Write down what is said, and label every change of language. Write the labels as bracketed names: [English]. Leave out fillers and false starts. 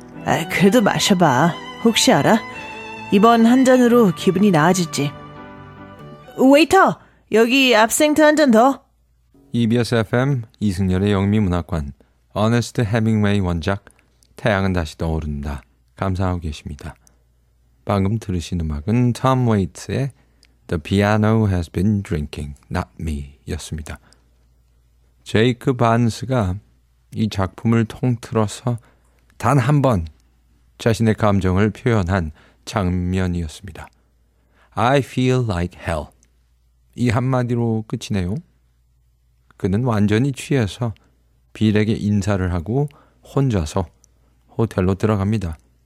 [Korean] 아, 그래도 마셔봐. 혹시 알아? 이번 한 잔으로 기분이 나아질지. 웨이터! 여기 압생트 한 잔 더. EBS FM 이승열의 영미문학관. 어네스트 헤밍웨이 원작 태양은 다시 떠오른다. 감사하고 계십니다. 방금 들으신 음악은 톰 웨이츠의 The Piano Has Been Drinking, Not Me 였습니다. 제이크 반스가 이 작품을 통틀어서 단 한 번 자신의 감정을 표현한 장면이었습니다. [English] I feel like hell. [Korean] 이 한마디로 끝이네요. 그는 완전히 취해서 빌에게 인사를 하고 혼자서 호텔로 들어갑니다.